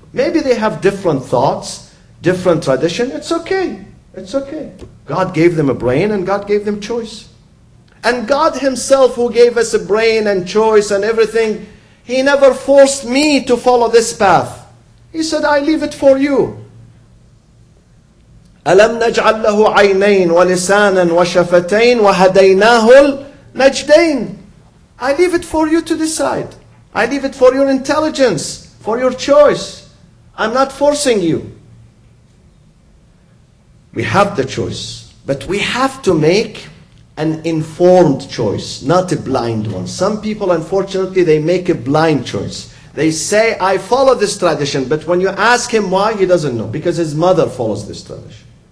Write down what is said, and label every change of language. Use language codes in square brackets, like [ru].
[en] Maybe they have different thoughts, different tradition. It's okay. It's okay. God gave them a brain and God gave them choice. And God Himself, who gave us a brain and choice and everything, He never forced me to follow this path. He said, I leave it for you. [ar] أَلَمْ نَجْعَلْ لَهُ عَيْنَيْنَ وَلِسَانًا وَشَفَتَيْنَ وَهَدَيْنَاهُ النَّجْدَيْنَ. [en] I leave it for you to decide. I leave it for your intelligence, for your choice. I'm not forcing you. We have the choice, but we have to make an informed choice, not a blind one. Some people, unfortunately, they make a blind choice. They say, I follow this tradition, but when you ask him why, he doesn't know, because his mother follows this tradition.